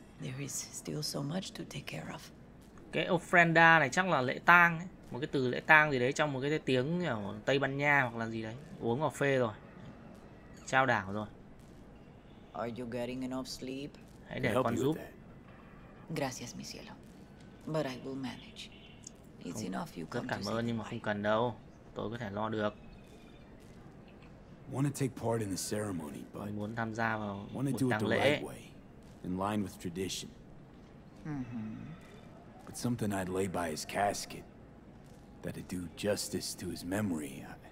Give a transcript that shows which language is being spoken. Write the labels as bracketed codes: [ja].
[en] There is still so much to take care of. [vi] Cái ofrenda này chắc là lễ tang ấy. Một cái từ lễ tang gì đấy trong một cái tiếng kiểu Tây Ban Nha hoặc là gì đấy. Uống cà phê rồi. Chao đảo rồi. [en] Are you getting enough sleep? [vi] Hãy để con giúp. [es] Gracias, mi cielo. [en] But I will manage. It's enough you come. [vi] Cảm ơn nhưng mà không cần đâu. Tôi có thể lo được. [en] Want to take part in the ceremony, but [vi] muốn tham gia vào buổi tang lễ. [en] In line with tradition. But something I'd lay by his casket that would do justice to his memory.